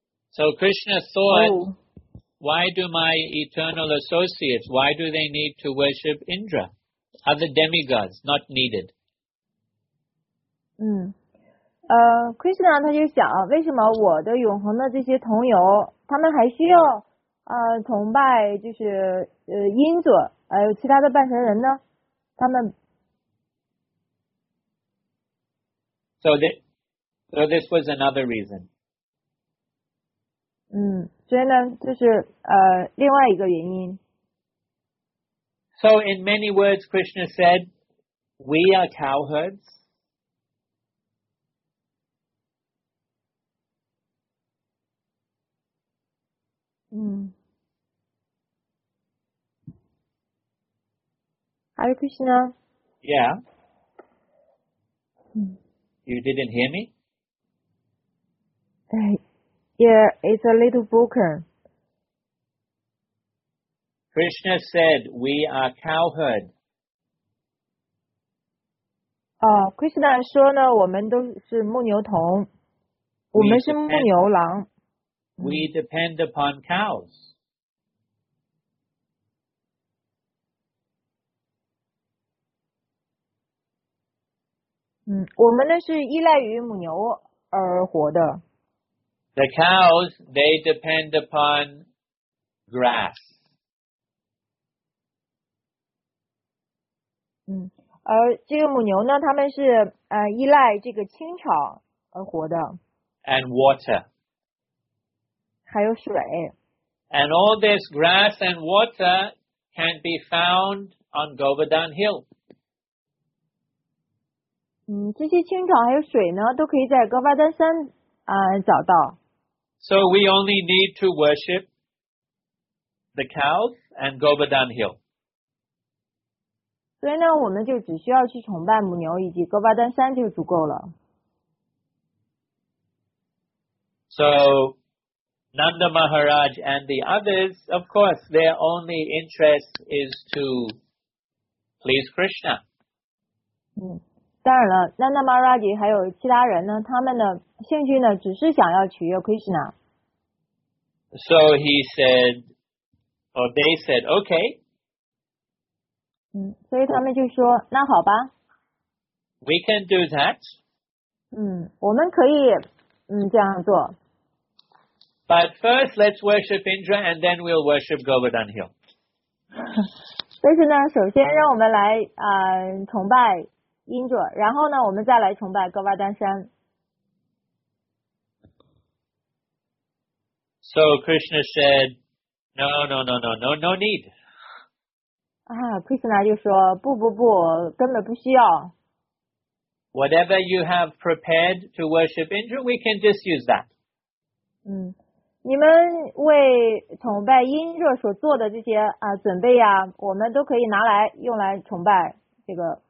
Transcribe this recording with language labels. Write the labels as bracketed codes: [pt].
[en] so Krishna thought, why do my eternal associates, why do they need to worship Indra? Other demigods not needed? [zh] Krishna 他就想，为什么我的永恒的这些同游，他们还需要崇拜就是因佐还有其他的半神人呢？他们 [en] So this was another reason. [zh] 所以呢，就是另外一个原因。 [en] So in many words, Krishna said, "We are cowherds." Hare Krishna. Yeah. You didn't hear me? Yeah, it's a little broken. Krishna said, we are cowherd. [zh] Krishna 说呢，我们都是牧牛童，我们是牧牛郎。 [en] We depend upon cows. [zh] We 们呢是依赖于母牛而活的。 [en] The cows, they depend upon grass. [zh] 而这个母牛呢，它们是依赖这个青草而活的。 [en] And water. [zh] 还有水。 [en] And all this grass and water can be found on Govardhan Hill. [zh] 这些青草还有水呢，都可以在高巴丹山找到。 [en] So we only need to worship the cows and Govardhan Hill. [zh] 所以呢，我们就只需要去崇拜母牛以及高巴丹山就足够了。 [en] So. Nanda Maharaj and the others, of course, their only interest is to please Krishna. [zh] 当然了，那 Maharaji 还有其他人呢，他们的兴趣呢，只是想要取悦 Krishna。 [en] So he said, or they said, okay. [zh] 嗯，所以他们就说，那好吧。 [en] We can do that. [zh] 嗯，我们可以这样做。 [en] But first, let's worship Indra, and then we'll worship Govardhan Hill. [zh] 但是呢，首先让我们来崇拜英卓，然后呢，我们再来崇拜戈瓦丹山。 [en] So Krishna said, "No, no, no, no, no, no need." [zh] 啊 ，Krishna 就说不不不，根本不需要。 [en] Whatever you have prepared to worship Indra, we can just use that. [zh] 嗯，你们为崇拜英卓所做的这些准备呀，我们都可以拿来用来崇拜这个。